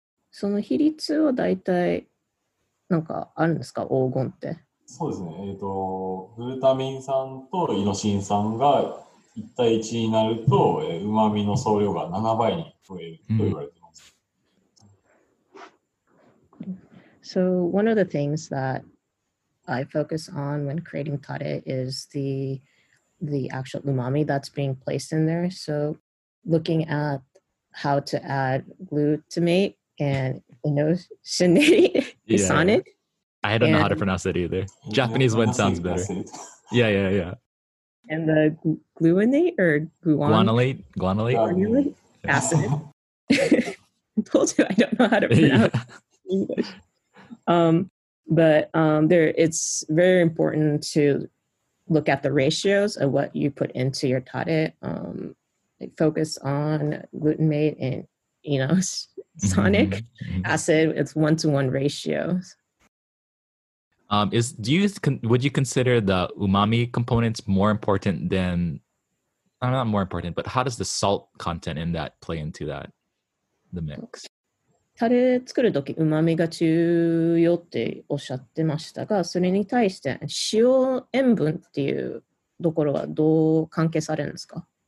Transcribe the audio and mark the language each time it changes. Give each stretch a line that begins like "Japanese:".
Japanese: その比率は大体なんかあるんですか、黄金って。そうですね、グルタミン酸とイノシン酸が1対1になると、うまみの総量が7倍に増えると言われています。
English: So one of the things that I focus on when creating tare is the actual umami that's being placed in there. So looking at how to add glutamate and inosinate, isonate. I don't know how to pronounce that either. Japanese one sounds better. Yeah. And the gluonate or guanylate? Acid. I told you I don't know how to pronounce English. It's very important to look at the ratios of what you put into your tare. Focus on glutamate and inosinic acid. It's 1-to-1 ratio. Would you consider the umami components more important than, not more important, but how does the salt content in that play into that, the mix?
Japanese: タレ作るとき、うまみが重要っておっしゃってましたが、それに対して塩塩分っていうところはどう関係されるんですか？